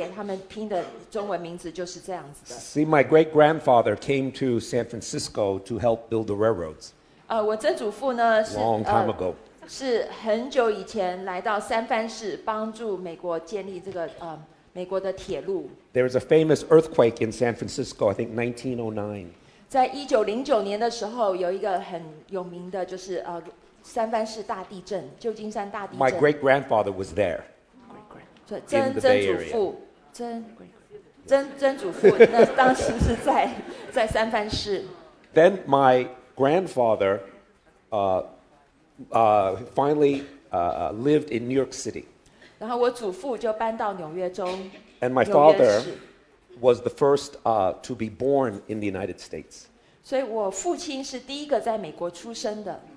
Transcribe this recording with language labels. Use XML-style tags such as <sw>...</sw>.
<zh>中国人呢，在19世纪移民来美国的呢，那个移民官就给他们拼的中文名字就是这样子的。</zh> <en>See, my great grandfather came to San Francisco to help build the railroads.</en> <zh>我曾祖父呢是</zh> <en>long time ago.</en> <zh>是很久以前来到三藩市，帮助美国建立这个 美国的铁路。</zh> <en>There was a famous earthquake in San Francisco, I think 1909.</en> <zh>在1909年的时候，有一个很有名的，就是 三藩市大地震，旧金山大地震。</zh> <en>My great grandfather was there.</en> <zh>曾祖父，那当时是在三藩市。</zh> <en>Then my grandfather, finally, lived in New York City.</en> <zh>然后我祖父就搬到纽约州。</zh> <en>And my father was the first to be born in the United States.</en> <zh>所以我父亲是第一个在美国出生的。</zh>